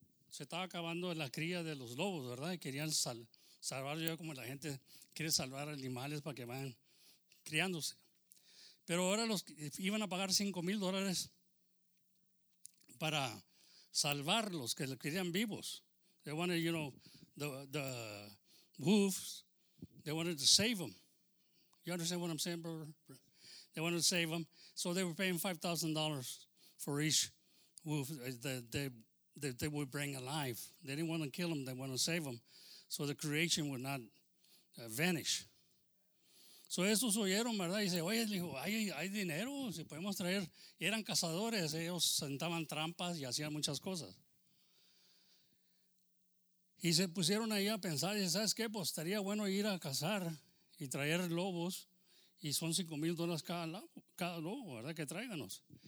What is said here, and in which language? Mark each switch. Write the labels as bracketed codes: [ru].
[es] Se estaba acabando la cría de los lobos, ¿verdad? Y querían salvar, yo como la gente quiere salvar animales para que vayan criándose. Pero ahora los iban a pagar $5,000 para salvarlos, que los querían vivos. [en] They wanted, you know, the wolves, they wanted to save them. You understand what I'm saying, brother? They wanted to save them. So they were paying $5,000 for each wolf that they would bring alive. They didn't want to kill them, they want to save them, so the creation would not vanish. [es] So estos oyeron, ¿verdad? Y dice, oye, le dijo, hay dinero, si podemos traer. Y eran cazadores, ellos sentaban trampas y hacían muchas cosas. Y se pusieron ahí a pensar, y dice, ¿sabes qué? Pues estaría bueno ir a cazar y traer lobos, y son $5,000 cada lobo, ¿verdad? Que tráiganos.